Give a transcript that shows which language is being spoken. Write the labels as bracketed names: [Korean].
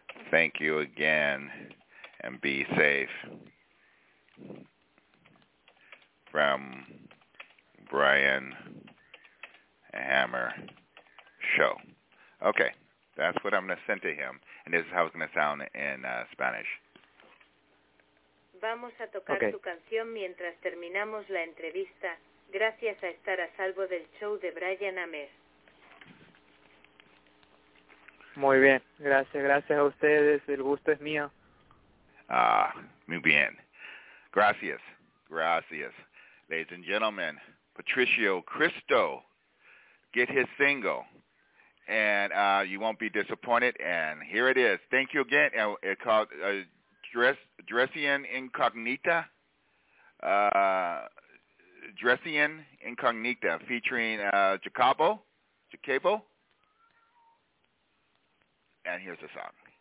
[English] Thank you again, and be safe. From Brian Hammer Show. Okay, that's what I'm going to send to him, and this is how it's going to sound in Spanish. [Spanish] Vamos a tocar [English] okay. [Spanish] Tu canción mientras terminamos la entrevista, gracias a estar a salvo del show de Brian Hammer. Muy bien, gracias a ustedes, el gusto es mío. Muy bien, gracias. [English] Ladies and gentlemen, Patricio Cristo, get his single. And you won't be disappointed, and here it is. Thank you again. It's called Dressian Incognita, featuring Jacobo, and here's the song.